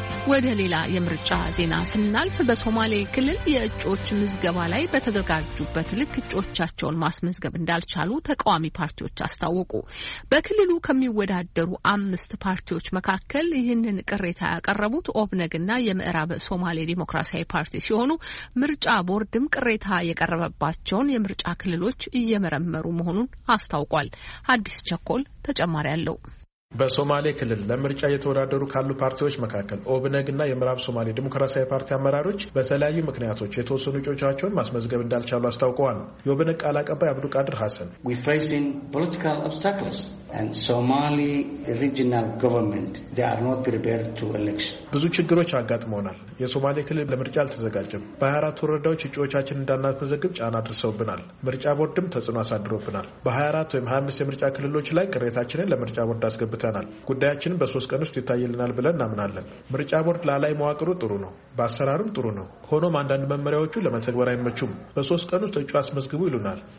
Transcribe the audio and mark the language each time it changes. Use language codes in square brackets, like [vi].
[am] ወደ ሌላ የምርጫ ዜና ስናልፍ በሶማሌ ክልል የእጩዎች ምዝገባ ላይ በተዘጋጁበት ልክ እጩዎቻቸውን ማስመዝገብ እንዳልቻሉ ተቃዋሚ ፓርቲዎች አስታወቁ። በክልሉ ከሚወዳደሩ 5 ፓርቲዎች መካከል ይህንን ቅሬታ ያቀረቡት ኦብነግና የምዕራብ ሶማሌ ዲሞክራሲያዊ ፓርቲ ሲሆኑ ምርጫ ቦርድም ቅሬታ የቀረበባቸውን የምርጫ ክልሎች እየመረመሩ መሆኑን አስታውቋል። አዲስ ቸኮል ተጨማሪ አለው። በሶማሌ ክልል ለምርጫ የተወዳደሩ ካሉ ፓርቲዎች መካከል ኦብነግ እና የምዕራብ ሶማሌ ዲሞክራሲያዊ ፓርቲ አመራሮች በተለያዩ ምክንያቶች የተወሰኑ እጩዎቻቸውን ማስመዝገብ እንዳልቻሉ አስታውቀዋል። የኦብነግ ቃል አቀባይ አብዱ ቃድር ሐሰን [en] We're facing political obstacles and Somali regional government they are not prepared to election. [am] ብዙ ችግሮች አጋጥመውናል። የሶማሌ ክልል ለምርጫ አልተዘጋጀም። በ24 ወረዳዎች እጩዎቻችን እንዳናስመዘግብ ጫና አድርሰውብናል። ምርጫ ቦርድም ተጽዕኖ አሳድሮብናል። በ24 ወይም 25 የምርጫ ክልሎች ላይ ቅሬታችንን ለምርጫ ቦርድ አስገብተናል። ጉዳያችንን በ3 ቀን ውስጥ ይታየልናል ብለን እናምናለን። ምርጫ ቦርድ ላላይ መዋቅሩ ጥሩ ነው፣ በአሰራሩም ጥሩ ነው። ሆኖም አንዳንድ መመሪያዎቹ ለመተግበር አይመቹም። በ3 ቀን ውስጥ እጩ አስመዝግቡ ይሉናል፣